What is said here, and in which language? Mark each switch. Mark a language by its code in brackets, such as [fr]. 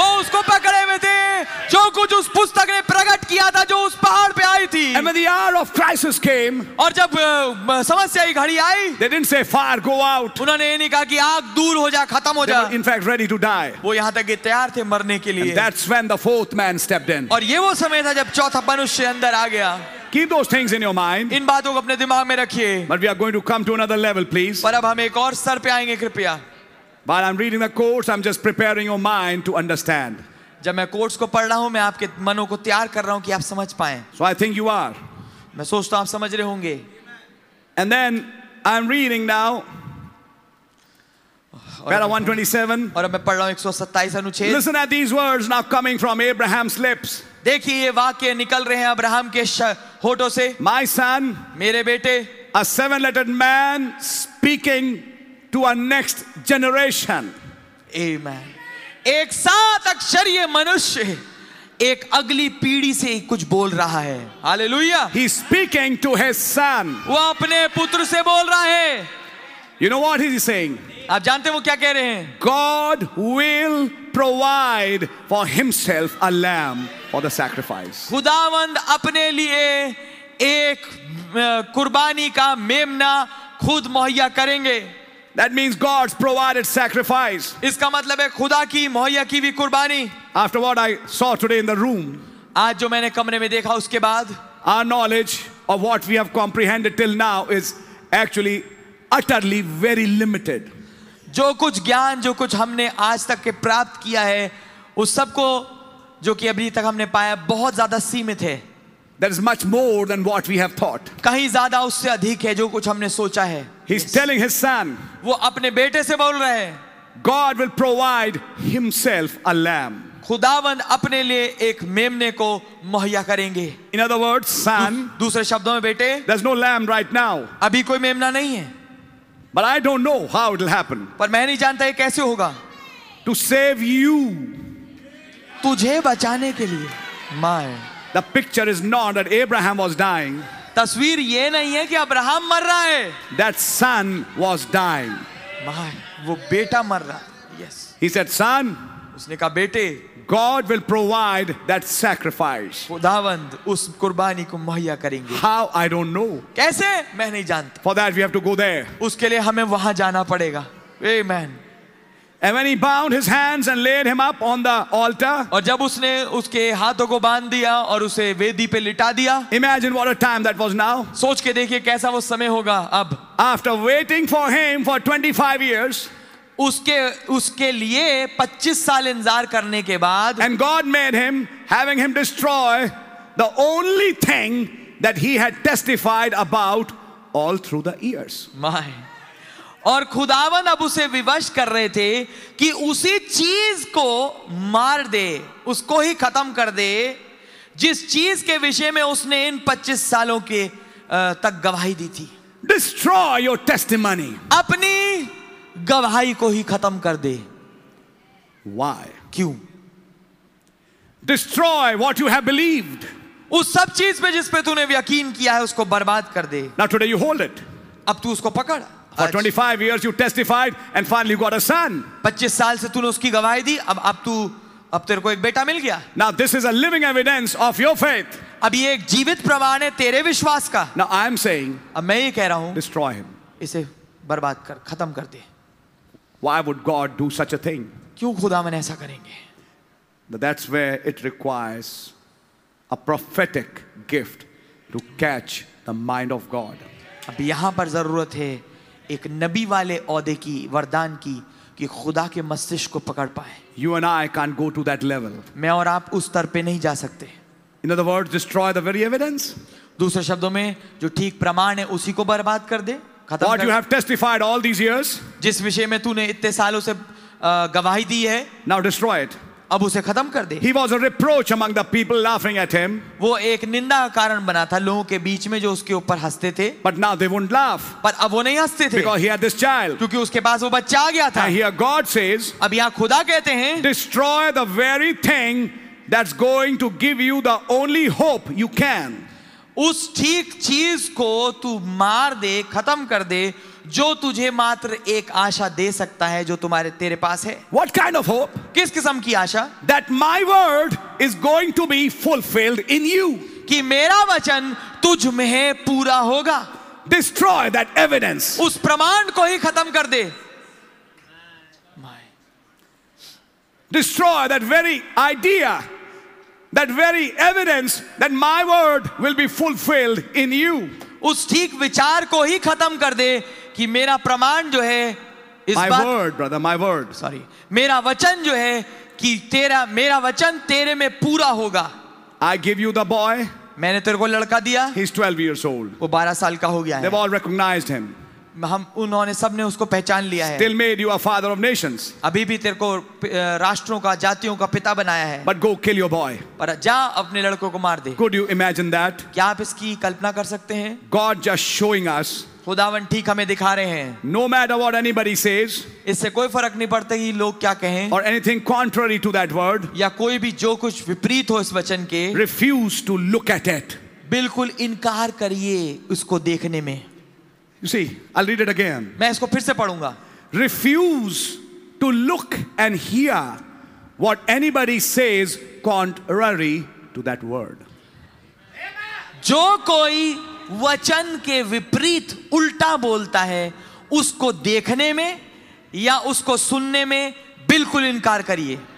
[hi] वो उसको पकड़े हुए थे जो कुछ उस पुस्तक ने प्रकट किया था जो उस पहाड़ पे आई थी. [en] And when the hour of crisis came, [hi] और जब समस्या की घड़ी आई, [en] they didn't say fire go out. [hi] उन्होंने ये नहीं कहा कि आग दूर हो जा, खत्म हो जा. [en] They were in fact ready to die. [hi] वो यहां तक तैयार थे मरने के लिए. [en] And that's when the fourth man stepped in. [hi] और ये वो समय था जब चौथा मनुष्य अंदर आ गया. [en] Keep those things in your mind. [hi] इन बातों को अपने दिमाग में रखिए. [en] But we are going to come to another level, please. [hi] पर अब हम एक और स्तर पे आएंगे कृपया. [en] While I'm reading the course, I'm just preparing your mind to understand. [hi] जब मैं कोर्स को पढ़ रहा हूँ, मैं आपके मनों को तैयार कर रहा हूँ कि आप समझ पाएं. [en] So I think you are. [hi] मैं सोचता हूँ आप समझ रहे होंगे. [en] And then I'm reading now. Paragraph 127. [hi] और अब मैं पढ़ रहा हूँ 127 अनुच्छेद. [en] Listen at these words now coming from Abraham's lips. [hi] देखिए ये वाक्य निकल रहे हैं अब्राहम के होठों से. [en] My son, [hi] मेरे बेटे, [en] a seven-lettered man speaking to a next generation. Amen. [hi] एक सात अक्षरीय मनुष्य एक अगली पीढ़ी से कुछ बोल रहा है. Hallelujah. [en] He is speaking to his son. [hi] वो अपने पुत्र से बोल रहा है. [en] You know what he is saying? [hi] आप जानते हैं वो क्या कह रहे हैं? [en] God will provide for himself a lamb for the sacrifice. [hi] खुदावंद अपने लिए एक कुर्बानी का मेमना खुद मुहैया करेंगे. [en] That means God's provided sacrifice. [hi] इसका मतलब है खुदा की मुहैया की भी कुर्बानी. [en] After what I saw today in the room, [hi] आज जो मैंने कमरे में देखा उसके बाद, [en] our knowledge of what we have comprehended till now is actually utterly very limited. [hi] जो कुछ ज्ञान जो कुछ हमने आज तक के प्राप्त किया है उस सब को जो कि अभी तक हमने पाया बहुत ज्यादा सीमित है. [en] There is much more than what we have thought. [hi] कहीं ज्यादा उससे अधिक है जो कुछ हमने सोचा है. [en] He is telling his son. [hi] वो अपने बेटे से बोल रहे हैं. [en] God will provide himself a lamb. [hi] खुदावंद अपने लिए एक मेमने को मुहैया करेंगे. [en] In other words, son. [hi] दूसरे शब्दों में बेटे. [en] There's no lamb right now. [hi] अभी कोई मेमना नहीं है. [en] But I don't know how it'll happen. [hi] पर मैं नहीं जानता ये कैसे होगा. [en] To save you. [hi] तुझे बचाने के लिए. [en] My. The picture is not that Abraham was dying. [hi] तस्वीर ये नहीं है कि अब्राहम मर रहा है. [en] That son was dying. My. [hi] वो बेटा मर रहा. [en] Yes. He said, son. [hi] उसने कहा बेटे. [en] God will provide that sacrifice. [hi] खुदावंद उस कुर्बानी को मुहैया करेंगे. [en] How? I don't know. [hi] कैसे? मैं नहीं जानता. [en] For that we have to go there. [hi] उसके लिए हमें वहां जाना पड़ेगा. [en] Amen. And when he bound his hands and laid him up on the altar. [hi] और जब उसने उसके हाथों को बांध दिया और उसे वेदी पे लिटा दिया. [en] Imagine what a time that was now. [hi] सोच के देखिए कैसा वो समय होगा अब. [en] After waiting for him for 25 years. [hi] उसके लिए 25 साल इंतजार करने के बाद [en] and God made him having him destroy the only thing that he had testified about all through the years my [hi] और खुदावन अब उसे विवश कर रहे थे कि उसी चीज को मार दे उसको ही खत्म कर दे जिस चीज के विषय में उसने इन 25 सालों के तक गवाही दी थी [en] destroy your testimony [hi] अपनी गवाही को ही खत्म कर दे [en] why [hi] क्यों [en] destroy what you have believed [hi] उस सब चीज पे जिस पे तूने यकीन किया है उसको बर्बाद कर दे [en] now today you hold it [hi] अब तू उसको पकड़ [en] for 25 years you testified and finally you got a son [hi] 25 साल से तूने उसकी गवाही दी अब तेरे को एक बेटा मिल गया [en] now this is a living evidence of your faith [hi] अब ये एक जीवित प्रमाण है तेरे विश्वास का [en] now I am saying [hi] अब मैं ये कह रहा हूं [en] destroy him [hi] इसे बर्बाद कर खत्म कर दे [en] why would god do such a thing [hi] क्यों खुदा मन ऐसा करेंगे [en] but that's where it requires a prophetic gift to catch the mind of god [hi] अब यहां पर जरूरत है एक नबी वाले ओहदे की वरदान की कि खुदा के मस्तिष्क को पकड़ पाए [en] you and I can't go to that level [hi] मैं और आप उस स्तर पे नहीं जा सकते [en] in other words destroy the very evidence [hi] दूसरे शब्दों में जो ठीक प्रमाण है उसी को बर्बाद कर दे [en] What you have testified all these years? [hi] जिस विषय में तूने इतने सालों से गवाही दी है? [en] Now destroy it. [hi] अब उसे खत्म कर दे. [en] He was a reproach among the people laughing at him. [hi] वो एक निंदा कारण बना था लोगों के बीच में जो उसके ऊपर हंसते थे. [en] But now they won't laugh. [hi] पर अब वो नहीं हंसते थे. [en] Because he had this child. [hi] क्योंकि उसके पास वो बच्चा आ गया था. [en] And here God says. [hi] अब यहाँ खुदा कहते हैं. [en] Destroy the very thing that's going to give you the only hope you can. [hi] उस ठीक चीज को तू मार दे खत्म कर दे जो तुझे मात्र एक आशा दे सकता है जो तुम्हारे तेरे पास है [en] What kind of hope? [hi] किस किस्म की आशा [en] That my word is going to be fulfilled in you. [hi] कि मेरा वचन तुझ में पूरा होगा [en] Destroy that evidence. [hi] उस प्रमाण को ही खत्म कर दे [en] Destroy that very idea. That very evidence that my word will be fulfilled in you. [hi] उस ठीक विचार को ही खत्म कर दे कि मेरा प्रमाण जो है इस [en] My word, brother, my word. Sorry. [hi] मेरा वचन जो है कि तेरा मेरा वचन तेरे में पूरा होगा. [en] I give you the boy. [hi] मैंने तेरे को लड़का दिया. [en] He's 12 years old. [hi] वो 12 साल का हो गया है. [en] They've all recognized him. [hi] हम उन्होंने सबने उसको पहचान लिया है [en] Still made you a father of nations. [hi] अभी भी तेरे को राष्ट्रों का जातियों का पिता बनाया है [en] But go kill your boy. [hi] पर जा अपने लड़कों को मार दे [en] Could you imagine that? [hi] क्या आप इसकी कल्पना कर सकते हैं [en] God just showing us, [hi] खुदावन ठीक हमें दिखा रहे हैं [en] No matter what anybody says, [hi] इससे कोई फर्क नहीं पड़ता कि लोग क्या कहें [en] Or anything contrary to that word, [hi] या कोई भी जो कुछ विपरीत हो इस वचन के [en] Refuse to look at it. [hi] बिल्कुल इनकार करिए उसको देखने में [en] You see, I'll read it again. [hi] मैं इसको फिर से पढ़ूंगा. [en] Refuse to look and hear what anybody says contrary to that word. [hi] जो कोई वचन के विपरीत उल्टा बोलता है उसको देखने में या उसको सुनने में बिल्कुल इनकार करिए.